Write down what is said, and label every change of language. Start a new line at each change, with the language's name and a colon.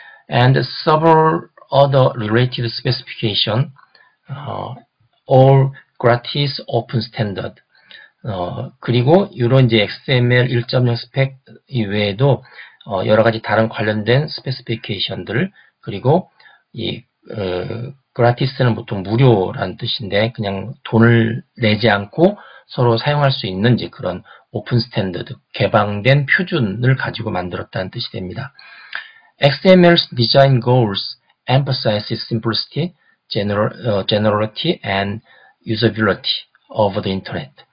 English: And several other related specification, all gratis open standard.
Korean: 그리고 이런 이제 XML 1.0 스펙 이외에도 여러 가지 다른 관련된 스페시피케이션들, 그리고 이 그라티스는 보통 무료라는 뜻인데 그냥 돈을 내지 않고 서로 사용할 수 있는 이제 그런 오픈 스탠더드, 개방된 표준을 가지고 만들었다는 뜻이 됩니다.
English: XML's design goals emphasizes simplicity, generality, and usability of the internet.